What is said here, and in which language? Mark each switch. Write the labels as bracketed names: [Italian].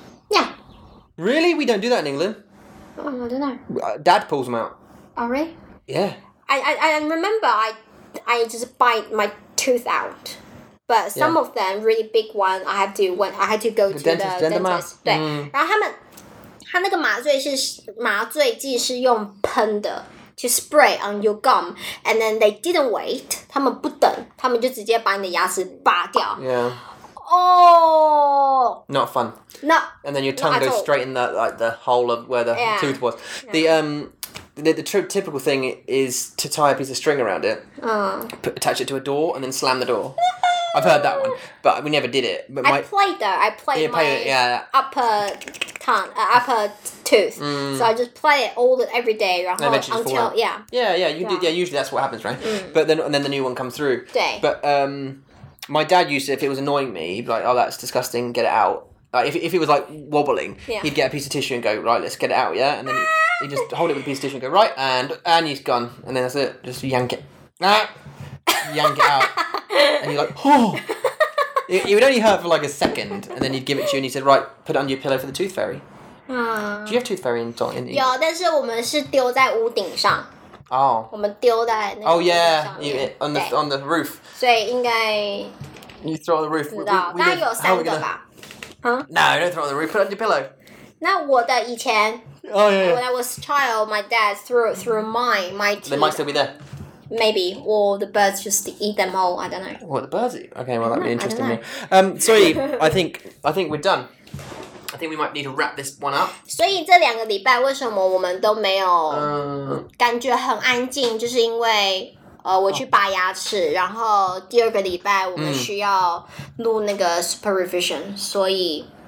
[English] Yeah. Really? We don't do that in England. Oh, I don't know. Dad pulls them out. Oh, really? Yeah. I remember I just bite my tooth out. But some、yeah. of them, really big one, I had to go to the dentist. [Chinese] 对然后他那个麻醉剂是用喷的。 [English] To spray on your gum, and then they didn't wait. [Chinese] 他们不等，他们就直接把你的牙齿拔掉。 [English] Yeah. Oh. Not fun. No. And then your tongue goes straight in the hole of where the、 yeah. tooth was.、 Yeah. The typical thing is to tie a piece of string around it, attach it to a door, and then slam the door. I've heard that one, but we never did it. But I played though. I played upper tooth. So I just play it every day, and eventually until, fall out. Yeah. Yeah, yeah. Usually that's what happens, right? But then the new one comes through. But my dad used to, if it was annoying me, he'd be like, oh, that's disgusting, get it out. Like, if it was like wobbling, he'd get a piece of tissue and go, right, let's get it out, yeah? And then he'd just hold it with a piece of tissue and go, right, and he's gone. And then that's it. Just yank it. Yank it out. And you're like, oh! It would only hurt for like a second, and then he'd give it to you, and he said, right, put it under your pillow for the tooth fairy. Do you have tooth fairy in the... [Chinese] 有,但是我们是丢在屋顶上。 [English] Oh. [Chinese] 我们丢在那个屋顶上面。 [English] Oh, yeah, on the roof. [Chinese] 所以应该... [English] You throw on the roof. [Chinese] 知道,大概有三个吧。 [English] Huh? No, don't throw it on the roof, put it on your pillow. [Chinese] 那我的以前 [English] oh, yeah. When I was a child, my dad threw my teeth. They might still be there. Maybe, or the birds just eat them all, I don't know. What, the birds eat? Okay, well, that'd be interesting. Sorry, I think we're done. I think we might need to wrap this one up. 所以这两个礼拜为什么我们都没有感觉很安静就是因为我去拔牙齿，然后第二个礼拜我们需要录那个 supervision，所以